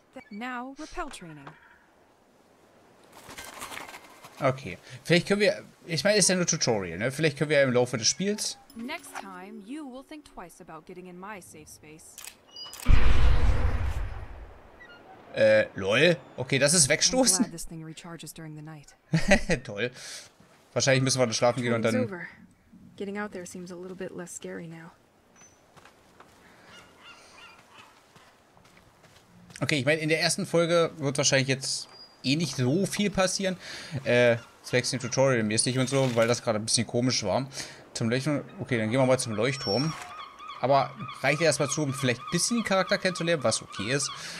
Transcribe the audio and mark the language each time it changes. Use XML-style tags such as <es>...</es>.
<en>Now, Repel Training.</en> <de>Okay. Vielleicht können wir... Ich meine, ist ja nur Tutorial, ne? Vielleicht können wir im Laufe des Spiels...</de> <en>Next time, you will think twice about getting in my safe space.</en> <de>Lol. Okay, das ist wegstoßen.</de> <en>This thing recharges during the night.</en> <de>Toll. Wahrscheinlich müssen wir dann schlafen gehen und dann...</de> <en>Getting out there seems a little bit less scary now.</en> <de>Okay, ich meine, in der ersten Folge wird wahrscheinlich jetzt eh nicht so viel passieren. Zwecks dem Tutorial-mäßig und so, weil das gerade ein bisschen komisch war. Zum Leuchtturm. Okay, dann gehen wir mal zum Leuchtturm. Aber reicht erstmal zu, um vielleicht ein bisschen den Charakter kennenzulernen, was okay ist.</de>